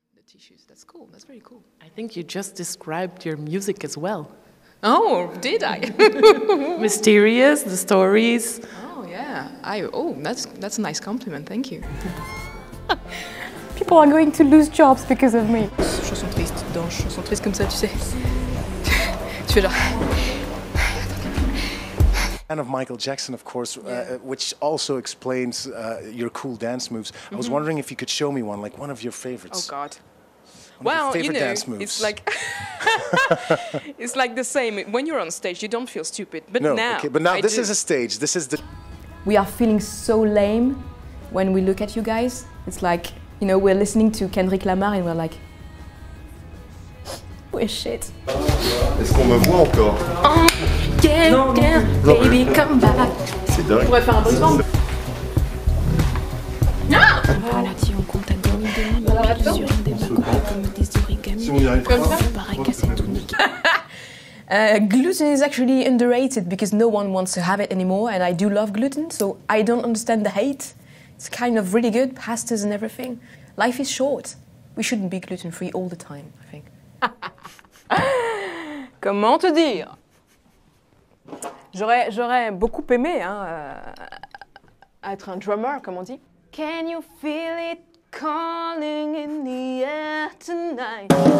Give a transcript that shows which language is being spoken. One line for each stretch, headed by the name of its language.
English: The tissues, that's cool, that's very cool. I think you just described your music as well. Oh, did I? Mysterious, the stories. Oh, yeah. That's a nice compliment, thank you. People are going to lose jobs because of me.
French: Chanson triste, dans chanson triste comme ça, tu sais. Tu es là.
English: And of Michael Jackson, of course, which also explains your cool dance moves. Mm-hmm. I was wondering if you could show me one, like one of your favorites. Oh, God. Dance moves. It's like it's like the same. When you're on stage, you don't feel stupid. But no, now... Okay. But now, I this do. Is a stage. This is the... We are feeling so lame when we look at you guys. It's like, you know, we're listening to Kendrick Lamar and we're like... We're shit.
French: Est-ce qu'on me voit encore?
English: Gluten is actually underrated because no one wants to have it anymore, and I do love gluten, so I don't understand the hate. It's kind of really good, pastas and everything. Life is short. We shouldn't be gluten-free all the time, I think.
French: Comment te dire? J'aurais beaucoup aimé hein, être un drummer, comme on dit.
English: Can you feel it calling in the air tonight?